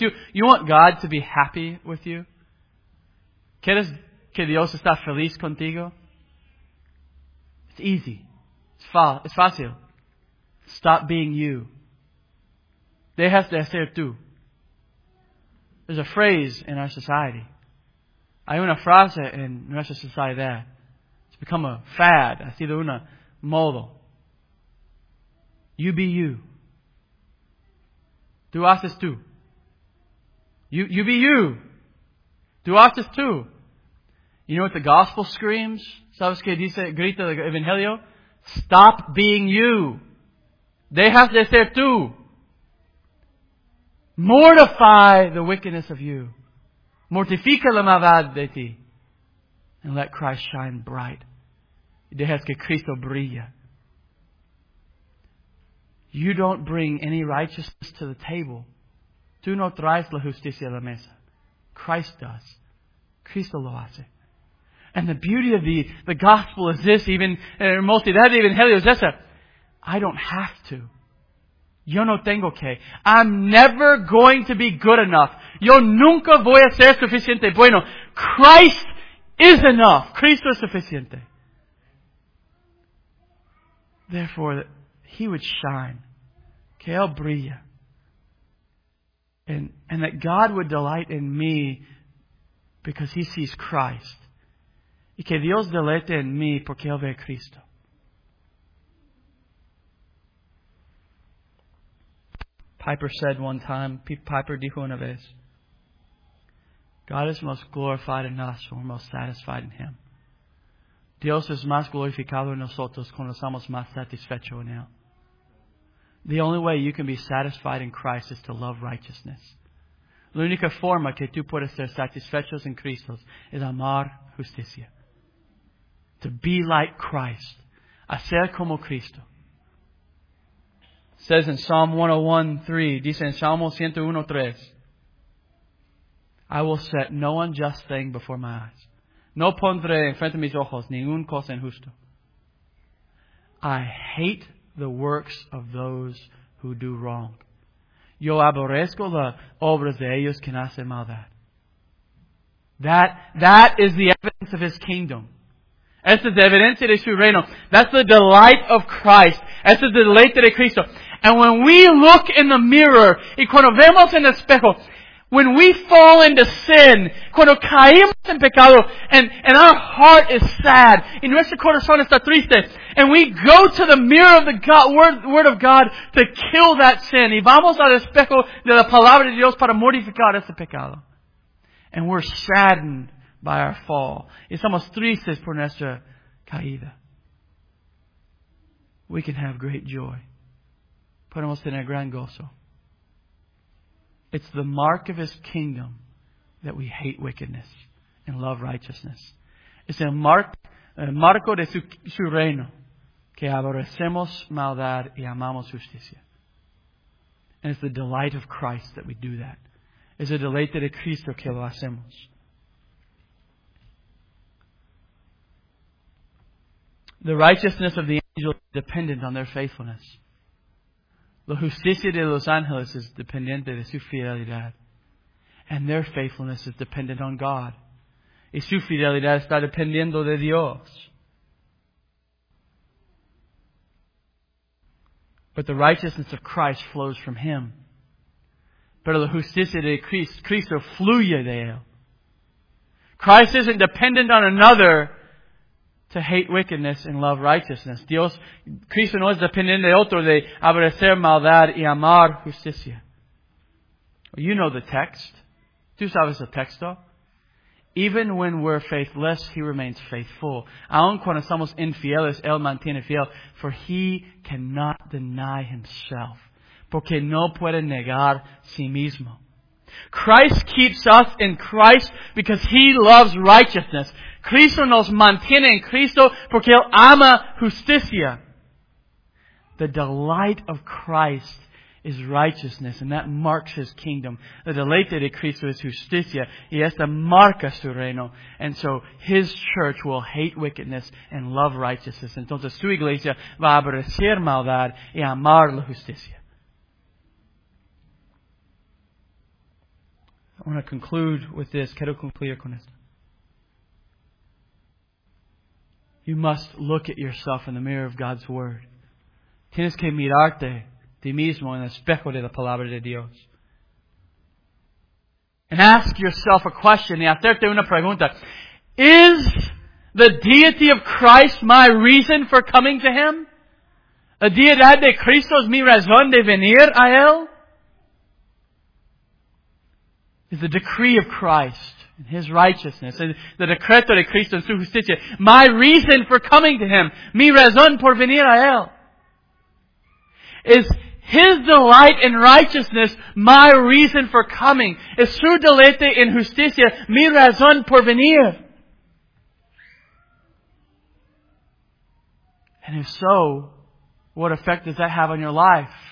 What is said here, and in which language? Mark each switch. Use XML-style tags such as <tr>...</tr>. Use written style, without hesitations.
<en>You want God to be happy with you?</en> <es>¿Quieres que Dios está feliz contigo?</es> <en>It's easy. It's fácil. Stop being you.</en> <es>Dejas de ser tú.</es> <en>There's a phrase in our society.</en> <es>Hay una frase en nuestra sociedad.</es> <en>It's become a fad.</en> <es>Ha sido una modo.</es> <en>You be you.</en> <es>Tú haces tú.</es> <en>You be you.</en> <es>Tú haces tú.</es> <en>You know what the gospel screams?</en> <es>¿Sabes qué dice, grita el evangelio?</es> <en>Stop being you.</en> <es>Dejas de ser tú.</es> <en>Mortify the wickedness of you.</en> <es>Mortifica la maldad de ti.</es> <en>And let Christ shine bright.</en> <es>Dejas que Cristo brilla.</es> <en>You don't bring any righteousness to the table.</en> <es>Tú no traes la justicia a la mesa.</es> <en>Christ does.</en> <es>Cristo lo hace.</es> <en>And the beauty of the gospel is this, even, multi, that evangelio is this. I don't have to.</en> <es>Yo no tengo que.</es> <en>I'm never going to be good enough.</en> <es>Yo nunca voy a ser suficiente. Bueno,</es> <en>Christ is enough.</en> <es>Cristo es suficiente.</es> <en>Therefore, He would shine.</en> <es>Que Él brilla.</es> <en>And that God would delight in me because He sees Christ.</en> <es>Y que Dios deleite en mí porque Él ve a Cristo.</es> <en>Piper said one time,</en> <es>Piper dijo una vez,</es> <en>God is most glorified in us when we're most satisfied in Him.</en> <es>Dios es más glorificado en nosotros cuando somos más satisfechos en Él.</es> <en>The only way you can be satisfied in Christ is to love righteousness.</en> <es>La única forma que tú puedes ser satisfechos en Cristo es amar justicia.</es> <en>To be like Christ.</en> <es>A ser como Cristo.</es> <en>Says in Psalm 101:3, I will set no unjust thing before my eyes.</en> <es>No pondré en frente de mis ojos ningún cosa injusto.</es> <en>I hate the works of those who do wrong.</en> <es>Yo aborrezco las obras de ellos que hacen maldad.</es> <en>That is the evidence of His kingdom.</en> <es>Esa es la evidencia de su reino.</es> <en>That's the delight of Christ.</en> <es>Esa es la deleite de Cristo.</es> <en>And when we look in the mirror,</en> <es>y cuando vemos en el espejo,</es> <en>when we fall into sin,</en> <es>cuando caemos en pecado,</es> <en>and our heart is sad,</en> <es>y nuestro corazón está triste,</es> <en>and we go to the mirror of the God, Word of God to kill that sin,</en> <es>y vamos al espejo de la palabra de Dios para mortificar ese pecado.</es> <en>And we're saddened by our fall.</en> <es>Y somos tristes por nuestra caída.</es> <en>We can have great joy.</en> <es>Podemos tener gran gozo.</es> <en>It's the mark of His kingdom that we hate wickedness and love righteousness.</en> <es>Es el marco de su reino que aborrecemos maldad y amamos justicia.</es> <en>And it's the delight of Christ that we do that.</en> <es>Es el deleite de Cristo que lo hacemos.</es> <en>The righteousness of the angels is dependent on their faithfulness.</en> <es>La justicia de los ángeles is dependiente de su fidelidad.</es> <en>And their faithfulness is dependent on God.</en> <es>Y su fidelidad está dependiendo de Dios.</es> <en>But the righteousness of Christ flows from Him.</en> <es>Pero la justicia de Cristo fluye de Él.</es> <en>Christ isn't dependent on another to hate wickedness and love righteousness.</en> <es>Dios, Cristo no es dependiente de otro de aborrecer maldad y amar justicia.</es> <en>You know the text.</en> <es>Tú sabes el texto.</es> <en>Even when we're faithless, He remains faithful.</en> <es>Aun cuando somos infieles, Él mantiene fiel.</es> <en>For He cannot deny Himself.</en> <es>Porque no puede negar sí mismo.</es> <en>Christ keeps us in Christ because He loves righteousness.</en> <es>Cristo nos mantiene en Cristo porque Él ama justicia.</es> <en>The delight of Christ is righteousness, and that marks His kingdom.</en> <es>The deleite de Cristo es justicia, y esta marca su reino.</es> <en>And so His church will hate wickedness and love righteousness.</en> <es>Entonces su iglesia va a aborrecer maldad y amar la justicia.</es> <en>I want to conclude with this.</en> <es>Quiero concluir con esto.</es> <en>You must look at yourself in the mirror of God's Word.</en> <es>Tienes que mirarte ti mismo en el espejo de la palabra de Dios.</es> <en>And ask yourself a question,</en> <es>y hacerte una pregunta.</es> <en>Is the deity of Christ my reason for coming to Him?</en> <es>La deidad de Cristo es mi razón de venir a Él?</es> <en>Is the decree of Christ and His righteousness, and the</en> <es>decreto de Cristo en su justicia,</es> <en>my reason for coming to Him,</en> <es>mi razón por venir a Él?</es> <en>Is His delight in righteousness my reason for coming?</en> <es>Es su deleite en justicia mi razón por venir?</es> <en>And if so, what effect does that have on your life?</en>